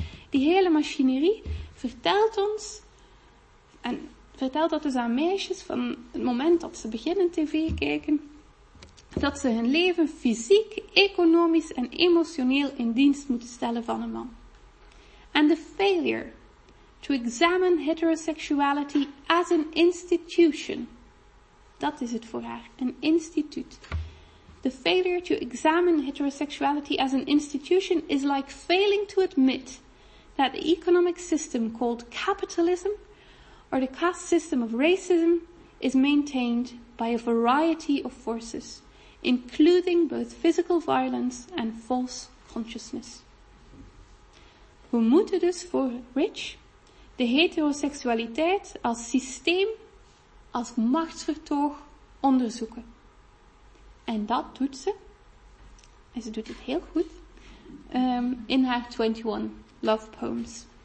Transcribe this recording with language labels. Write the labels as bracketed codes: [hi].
[nl] Die hele machinerie vertelt ons, en vertelt dat dus aan meisjes van het moment dat ze beginnen tv kijken, dat ze hun leven fysiek, economisch en emotioneel in dienst moeten stellen van een man. En de [en] failure to examine heterosexuality as an institution. [nl] Dat is het voor haar, een instituut. [en] The failure to examine heterosexuality as an institution is like failing to admit that the economic system called capitalism or the caste system of racism is maintained by a variety of forces, including both physical violence and false consciousness. [nl] We moeten dus voor Rich de heteroseksualiteit als systeem, als machtsvertoog onderzoeken. En dat doet ze, en ze doet het heel goed, in haar 21 love poems.